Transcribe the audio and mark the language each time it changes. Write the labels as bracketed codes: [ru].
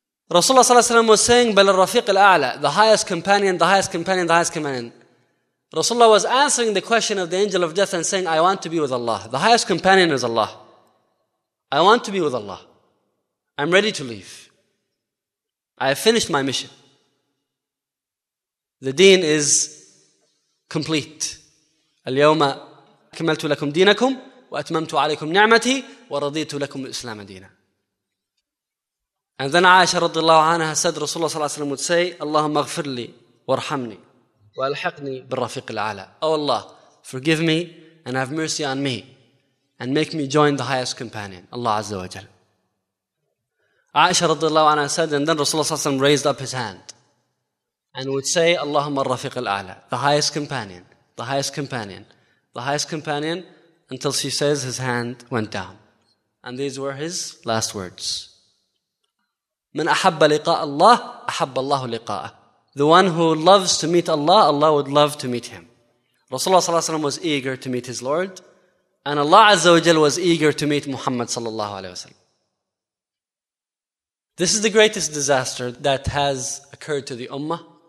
[en] Rasulullah ﷺ was saying, [ar] بَلَ الرَّفِيقِ الْأَعْلَى, [en] the highest companion, the highest companion, the highest companion. Rasulullah was answering the question of the angel of death and saying, I want to be with Allah. The highest companion is Allah. I want to be with Allah. I'm ready to leave. I have finished my mission. The deen is complete. [ar] اليوم أكملت لكم دينكم وأتممت عليكم نعمتي ورضيت لكم الإسلام دينا. [en] And then Aisha [ar] رضي الله عنها [en] said, Rasulullah [ar] صلى الله عليه وسلم [en] would say, [ar] اللهم اغفر لي وارحمني وألحقني بالرفيق الأعلى. [en] Oh Allah, forgive me and have mercy on me and make me join the highest companion, Allah عز وجل. Aisha رضي الله عنها said, and then Rasulullah صلى الله عليه وسلم raised up his hand and would say, [ar] اللهم الرفيق الأعلى, [en] the highest companion, the highest companion, the highest companion, until she says his hand went down. And these were his last words. [ar] من أحب لقاء الله أحب الله لقاءه. [en] The one who loves to meet Allah, Allah would love to meet him. Rasulullah صلى الله عليه وسلم was eager to meet his Lord, and Allah عزّ وجل was eager to meet Muhammad صلى الله عليه وسلم. This is the greatest disaster that has occurred to the Ummah.